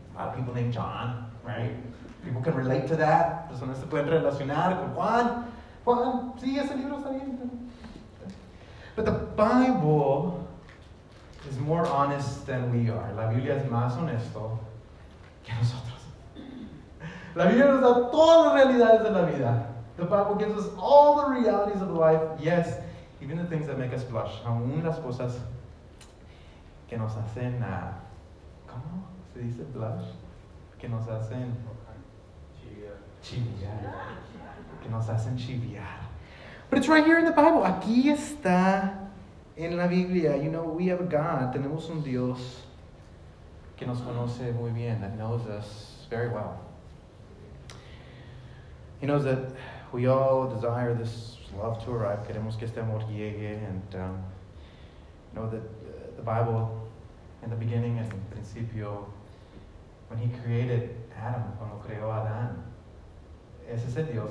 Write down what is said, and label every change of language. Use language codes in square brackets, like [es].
[en] A lot of people named John, right? People can relate to that. [es] Personas se pueden relacionar con Juan. Juan, sí, ese libro está bien. [en] But the Bible is more honest than we are. [es] La Biblia es más honesto que nosotros. La Biblia nos da todas las realidades de la vida. [en] The Bible gives us all the realities of life. Yes, even the things that make us blush. [es] Aún las cosas que nos hacen, ¿cómo se dice blush? Que nos hacen chiviar. Que nos hacen chiviar. [en] But it's right here in the Bible. [es] Aquí está en la Biblia. [en] You know, we have a God. [es] Tenemos un Dios que nos conoce muy bien. [en] That knows us very well. He knows that we all desire this love to arrive. [es] Queremos que este amor llegue. [en] And you know that the Bible, in the beginning, [es] in principio, when he created Adam, cuando creó a Adán, ese es el Dios.